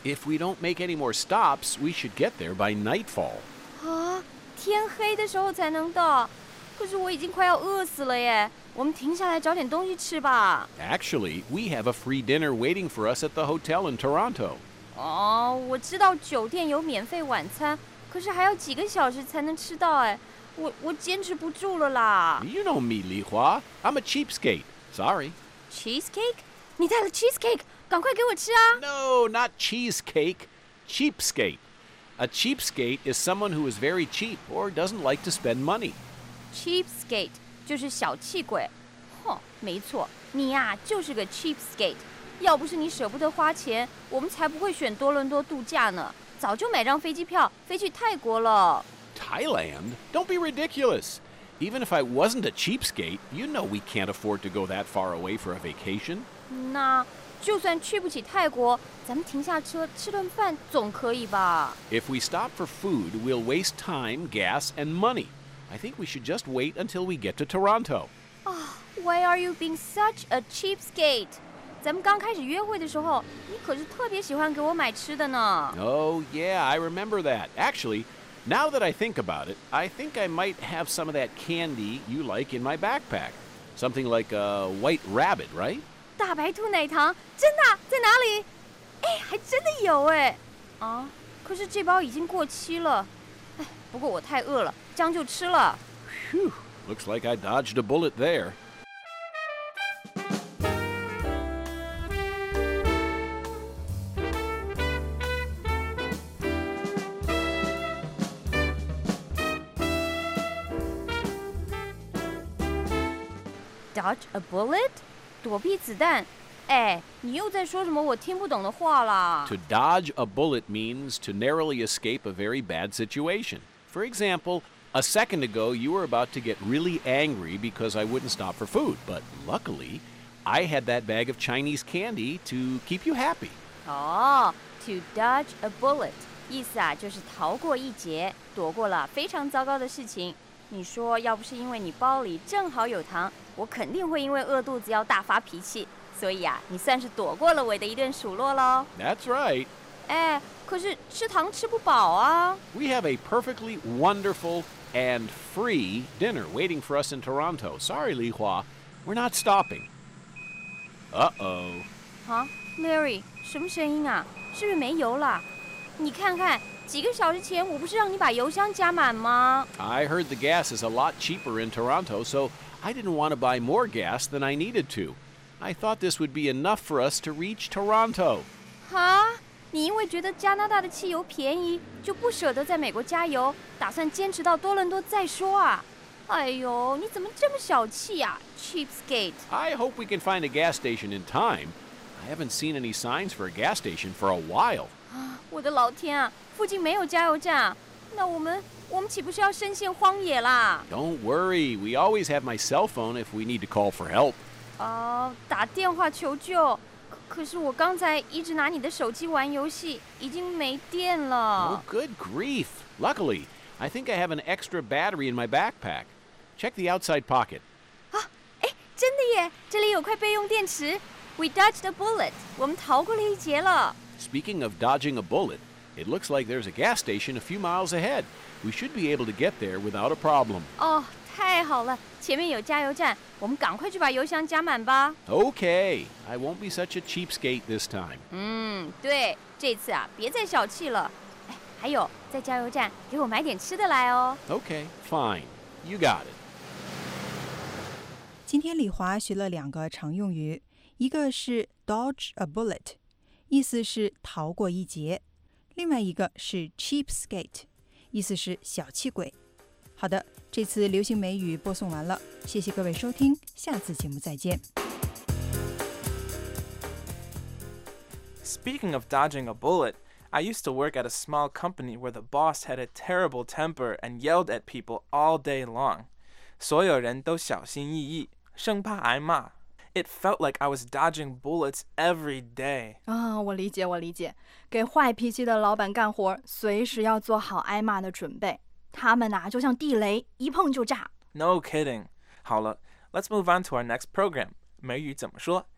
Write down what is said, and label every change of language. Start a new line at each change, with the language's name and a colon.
English: If we don't make any more stops, we should get there by nightfall.
Chinese: 啊，天黑的时候才能到，可是我已经快要饿死了耶。我们停下来找点东西吃吧。
English: Actually, we have a free dinner waiting for us at the hotel in Toronto.
Chinese: 哦，我知道酒店有免费晚餐，可是还要几个小时才能吃到哎，我坚持不住了啦。
English: You know me, Li Hua. I'm a cheapskate. Sorry.
Chinese: Cheesecake? 你带了 cheesecake? 赶快给我吃啊。
English: No, not cheesecake. Cheapskate. A cheapskate is someone who is very cheap or doesn't like to spend money.
Chinese: Cheapskate. 就是小气鬼，哼，没错，你呀、啊、就是个 cheapskate。要不是你舍不得花钱，我们才不会选多伦多度假呢，早就买张飞机票飞去泰国了。
English: Thailand? Don't be ridiculous. Even if I wasn't a cheapskate, you know we can't afford to go that far away for a vacation.
Chinese: 那就算去不起泰国，咱们停下车吃顿饭总可以吧
English: ？If we stop for food, we'll waste time, gas, and money. I think we should just wait until we get to Toronto. Oh, why are you being such a cheapskate?
Chinese: 咱们刚开始约会的时候，你可是特别喜欢给我买吃的呢。
English: Oh, yeah, I remember that. Actually, now that I think about it, I think I might have some of that candy you like in my backpack. Something like a white rabbit, right?
Chinese: 大白兔奶糖，真的，在哪里？哎，还真的有哎。啊，可是这包已经过期了。哎，不过我太饿了，这样就吃了。 Phew, looks like I dodged a bullet there.
English: Dodge a bullet?
Chinese: 躲避子弹？哎，你又在说什么我听不懂的话啦。
English: To dodge a bullet means to narrowly escape a very bad situation. For example, a second ago you were about to get really angry because I wouldn't stop for food. But luckily, I had that bag of Chinese candy to keep you happy. Oh, to dodge a bullet.
Chinese: 意思啊，就是逃过一劫，躲过了非常糟糕的事情。你说要不是因为你包里正好有糖，我肯定会因为饿肚子要大发脾气。所以啊，你算是躲过了我的一顿数落咯。
English: That's right.
Chinese: 哎，可是吃糖吃不饱啊。
English: We have a perfectly wonderful and free dinner waiting for us in Toronto. Sorry, Li Hua. We're not stopping. Uh-oh.
Chinese: Huh? Larry, 什么声音啊？是不是没油了？你看看。几个小时前我不是让你把油箱加满吗
English: I heard the gas is a lot cheaper in Toronto, so I didn't want to buy more gas than I needed to. I thought this would be enough for us to reach Toronto. Huh?
Chinese: 你因为觉得加拿大的汽油便宜就不舍得在美国加油打算坚持到多伦多再说啊哎呦你怎么这么小气啊 Cheapskate.
English: I hope we can find a gas station in time. I haven't seen any signs for a gas station for a while.
Chinese: 我的老天啊附近没有加油站，那我们岂不是要深陷荒野啦
English: ？Don't worry, we always have my cell phone if we need to call for help.
Chinese: 哦、打电话求救。可是我刚才一直拿你的手机玩游戏，已经没电了。
English: Oh, good grief! Luckily, I think I have an extra battery in my backpack. Check the outside pocket.
Chinese: 啊，哎，真的耶！这里有块备用电池。
English: We dodged a bullet.
Chinese: 我们逃过了一劫了。
English: Speaking of dodging a bullet. It looks like there's a gas station a few miles ahead. We should be able to get there without a problem.
Chinese: Oh, 太好了，前面有加油站，我们赶快去把油箱加满吧。
English: Okay, I won't be such a cheapskate this time.
Chinese: 对，这次啊，别再小气了。哎，还有，在加油站给我买点吃的来哦。
English: Okay, fine. You got it.
Chinese: 今天李华学了两个常用语，一个是 dodge a bullet， 意思是逃过一劫。另外一个是 cheapskate， 意思是小气鬼。好的，这次流行美语播送完了，谢谢各位收听，下次节目再见。
English: Speaking of dodging a bullet, I used to work at a small company where the boss had a terrible temper and yelled at people all day long.
Chinese: 所有人都小心翼翼，生怕挨骂。
English: It felt like I was dodging bullets every day.
Chinese: 啊、oh, ，我理解，我理解。给坏脾气的老板干活，随时要做好挨骂的准备。他们呐、啊，就像地雷，一碰就炸。
English: No kidding.
Chinese: 好了
English: ，Let's move on to our next program.
Chinese: 美语怎么说？